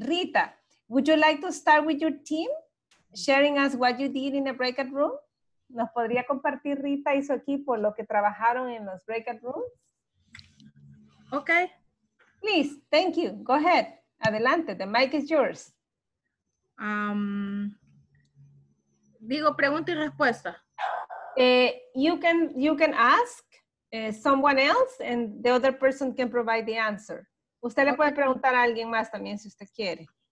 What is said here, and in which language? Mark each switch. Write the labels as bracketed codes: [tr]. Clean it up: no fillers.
[en] Rita, would you like to start with your team? Sharing us what you did in the breakout room? [es] ¿Nos podría compartir Rita y su equipo lo que trabajaron en los breakout rooms? [en] Okay. Please, thank you. Go ahead. [es] Adelante, [en] the mic is yours. [es] Digo pregunta y respuesta. [en] You can ask someone else and the other person can provide the answer. [es] Usted le puede preguntar a alguien más también si usted quiere.